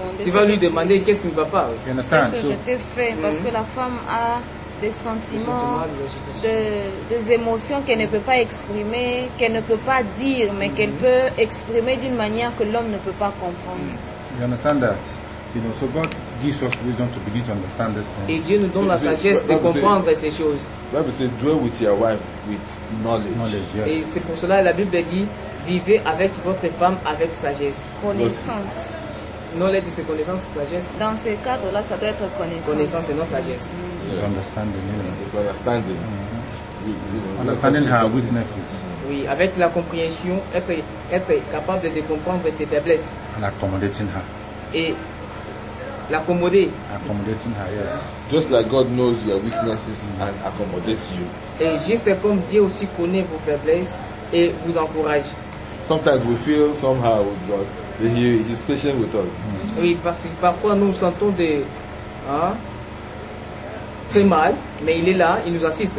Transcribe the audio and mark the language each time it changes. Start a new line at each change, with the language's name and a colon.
French: Tu vas lui demander qu'est-ce qui ne va pas.
English: You understand?
French: Qu'est-ce que je t'ai fait? Mm-hmm. Parce que la femme a des sentiments, des émotions qu'elle ne peut pas exprimer, qu'elle ne peut pas dire, mais mm-hmm. qu'elle peut exprimer d'une manière que l'homme ne peut pas comprendre.
English: Mm. You understand that? You know, so God gives us wisdom to begin to understand this thing.
French: Et Dieu nous donne la sagesse de comprendre ces choses.
English: The Bible says, dwell with your wife with knowledge. Knowledge, yes.
French: Et c'est pour cela que la Bible dit, vivez avec votre femme avec sagesse. Connaissance. Knowledge, c'est connaissance, sagesse. Dans ce cadre-là, ça doit être connaissance. Connaissance et non sagesse.
English: Mm-hmm. Yeah. Understanding. Yeah. Understanding. Mm-hmm. Understanding her weaknesses.
French: Oui, avec la compréhension, être capable de comprendre ses faiblesses.
English: And accommodating her.
French: Et l'accommoder.
English: Accommodating her, yes. Just like God knows your weaknesses and accommodates you.
French: Et juste comme Dieu aussi connaît vos faiblesses et vous encourage.
English: Sometimes we feel somehow with God that He is patient with us. Mm-hmm.
French: Oui, parce que parfois nous sentons des très mal, mais il est là, il nous assiste.